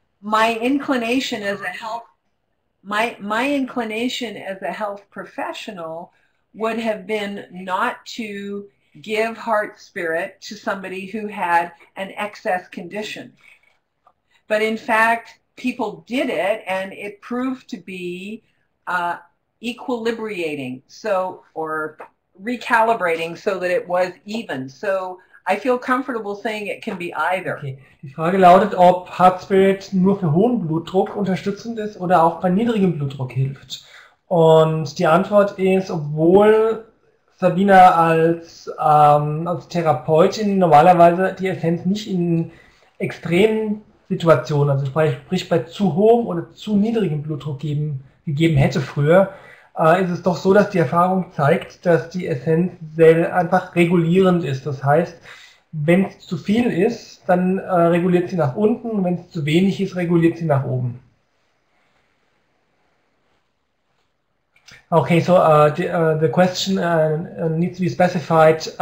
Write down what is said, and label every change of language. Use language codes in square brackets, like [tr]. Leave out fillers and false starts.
[en] My inclination as a health professional would have been not to give heart spirit to somebody who had an excess condition. But in fact, people did it and it proved to be equilibrating, so, or recalibrating so that it was even. So I feel comfortable saying it can be either. [de] okay, die Frage lautet, ob Heart Spirit nur für hohen Blutdruck unterstützend ist oder auch bei niedrigem Blutdruck hilft. Und die Antwort ist, obwohl Sabina als Therapeutin normalerweise die Essenz nicht in extremen Situationen, also sprich bei zu hohem oder zu niedrigem Blutdruck gegeben hätte früher, ist es doch so, dass die Erfahrung zeigt, dass die Essenz sehr einfach regulierend ist. Das heißt, wenn es zu viel ist, dann reguliert sie nach unten, wenn es zu wenig ist, reguliert sie nach oben. [en] Okay, so the question needs to be specified.